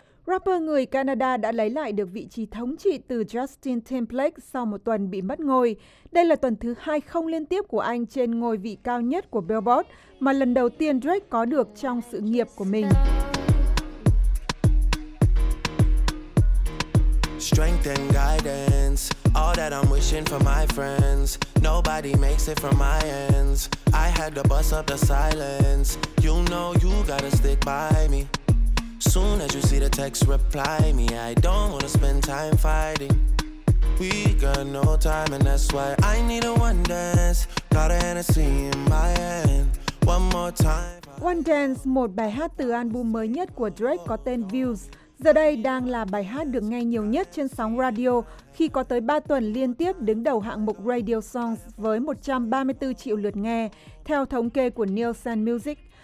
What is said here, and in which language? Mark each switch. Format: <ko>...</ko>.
<vi>Rapper người Canada đã lấy lại được vị trí thống trị từ Justin Timberlake sau một tuần bị mất ngôi. Đây là tuần thứ hai không liên tiếp của anh trên ngôi vị cao nhất của Billboard, mà lần đầu tiên Drake có được trong sự nghiệp của mình.</vi> <en>Strength and guidance, all that I'm wishing for my friends. Nobody makes it from my ends. I had to bust up the silence. You know you gotta stick by me. Soon as you see the text, reply me. I don't wanna spend time fighting. We got no time and that's why I need a one dance. Got a Hennessy in my hand. One more time.</en> <vi>One Dance, một bài hát từ album mới nhất của Drake có tên Views, giờ đây đang là bài hát được nghe nhiều nhất trên sóng radio khi có tới 3 tuần liên tiếp đứng đầu hạng mục Radio Songs với 134 triệu lượt nghe, theo thống kê của Nielsen Music.</vi>